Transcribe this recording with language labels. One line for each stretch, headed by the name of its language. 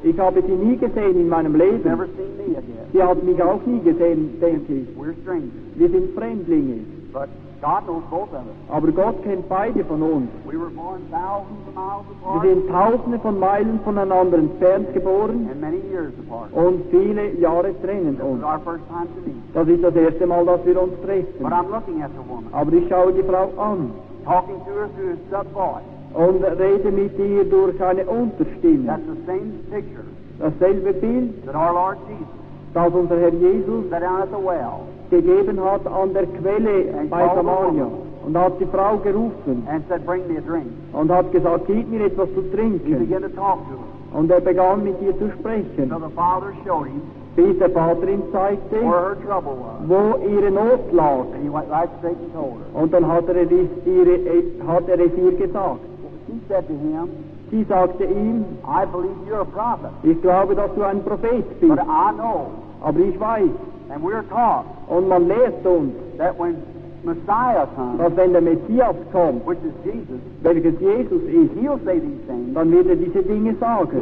German: Ich habe sie nie gesehen in meinem Leben.
English: Never seen me again.
German: Sie hat mich auch nie gesehen, denke ich.
English: We're strangers.
German: Wir sind Fremdlinge.
English: But God knows both of us.
German: Aber Gott kennt beide von uns.
English: We were born thousands of miles apart.
German: Wir sind tausende von Meilen voneinander entfernt geboren.
English: And many years apart.
German: Und viele Jahre trennen uns.
English: This is our first time to meet.
German: Das ist das erste Mal, dass wir uns treffen.
English: But I'm looking at the woman.
German: Aber ich schaue die Frau an.
English: Talking to her through a sub-voice.
German: Und rede mit ihr durch eine Unterstimme.
English: That's the same picture.
German: Dasselbe Bild.
English: That our Lord Jesus.
German: Dass unser Herr Jesus.
English: Sat down at the well.
German: Gegeben hat an der Quelle bei Samaria. Und hat die Frau gerufen.
English: And said, bring me a drink.
German: Und hat gesagt, gib mir etwas zu trinken.
English: He began to talk to her.
German: Und begann mit ihr zu sprechen.
English: So the Father showed him.
German: Bis der Vater ihm zeigte,
English: where her trouble was.
German: Wo ihre Not lag.
English: And he went right to Satan and told her.
German: Und dann hat er es ihr gesagt.
English: He said to him, I believe you're a prophet.
German: Ich glaube, dass du ein Prophet bist.
English: But I know.
German: Aber ich weiß.
English: And we're taught.
German: Und man lehrt uns.
English: That when Messiah comes.
German: Dass wenn der Messias kommt.
English: Which is Jesus.
German: Welches Jesus ist.
English: He'll say these things.
German: Dann wird er diese Dinge sagen.